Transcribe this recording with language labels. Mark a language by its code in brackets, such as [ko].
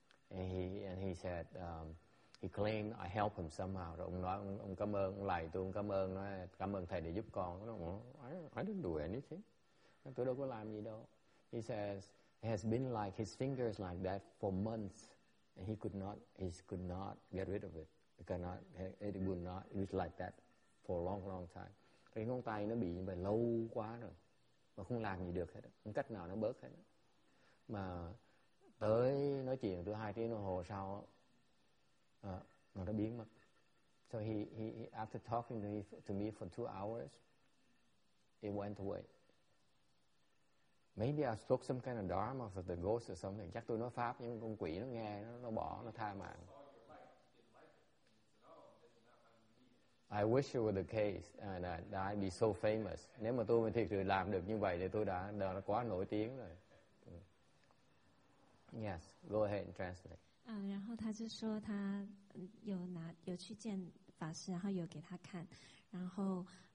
[en] And he said, he claimed I helped him somehow. [vi] Rồi ông nói, ông cảm ơn, ông lại tôi, ông cảm ơn, nói, cảm ơn thầy để giúp con. [en] I didn't do anything. [vi] Tôi đâu có làm gì đâu. [en] He says, it has been like his fingers like that for months. And he could not get rid of it. It was like that for a long, long time. [vi] Cái ngón tay nó bị như vậy lâu quá rồi. Mà không làm gì được hết. Không cách nào nó bớt hết. Mà tới nói chuyện từ 2 tiếng đồng hồ sau, nó biến mất. [en] So he after talking to me for 2 hours, it went away. Maybe I spoke some kind of dharma for the ghost or something. [vi] Chắc tôi nói pháp nhưng con quỷ nó nghe, nó bỏ, nó tha mạng. [en] I wish it were the case and I'd be so famous. [vi] Nếu mà tôi thiệt sự làm được như vậy thì tôi đã quá nổi tiếng rồi. [en] Yes, go ahead and translate. [zh] 然后他就说他有去见法师，然后有给他看，然后。